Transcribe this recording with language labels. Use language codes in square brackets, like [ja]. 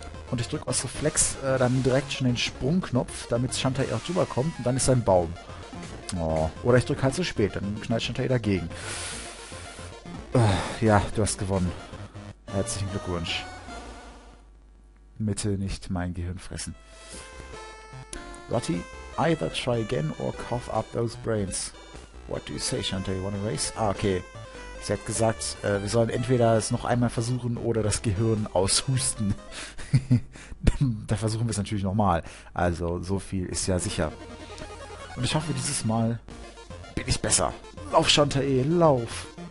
[de] Und ich drücke aus Reflex dann direkt schon den Sprungknopf, damit Shantae auch drüber kommt. Und dann ist ein Baum. Oh. Oder ich drücke halt zu spät, dann knallt Shantae dagegen. Ja, du hast gewonnen. Herzlichen Glückwunsch. Bitte nicht mein Gehirn fressen. [en] Lottie, either try again or cough up those brains. What do you say, Shantae? Wanna race? Ah, okay. [de] Sie hat gesagt, wir sollen entweder es noch einmal versuchen oder das Gehirn aushusten. Da versuchen wir es natürlich nochmal. Also, so viel ist ja sicher. Und ich hoffe, dieses Mal bin ich besser. Lauf, Shantae, lauf!